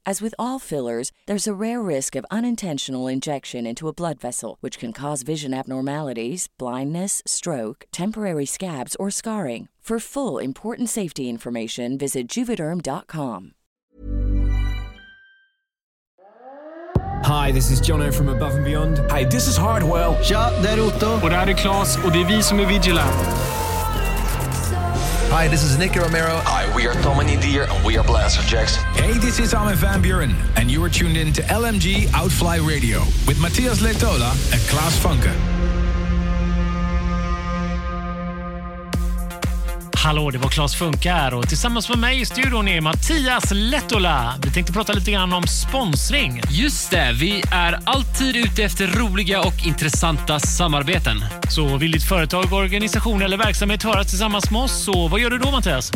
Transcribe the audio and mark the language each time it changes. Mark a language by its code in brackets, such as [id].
[en] As with all fillers, there's a rare risk of unintentional injection into a blood vessel, which can cause vision abnormalities, blindness, stroke, temporary scabs, or scarring. For full, important safety information, visit Juvederm.com. Hi, this is Jono from Above and Beyond. Hi, this is Hardwell. [sv] Ja, det är Otto. Och det här är Klas, och det är vi som är Vigilant. [en] Hi, this is Nicky Romero. Hi, we are Tommy Dear, and we are Blaster Jackson. Hey, this is Armin van Buuren, and you are tuned in to LMG Outfly Radio with Mattias Lehtola and Klas Funke. [sv] Hallå, det var Klas Funke här och tillsammans med mig i studion är Mattias Lehtola. Vi tänkte prata lite grann om sponsring. Just det, vi är alltid ute efter roliga och intressanta samarbeten. Så vill ditt företag, organisation eller verksamhet höra tillsammans med oss, så vad gör du då, Mattias?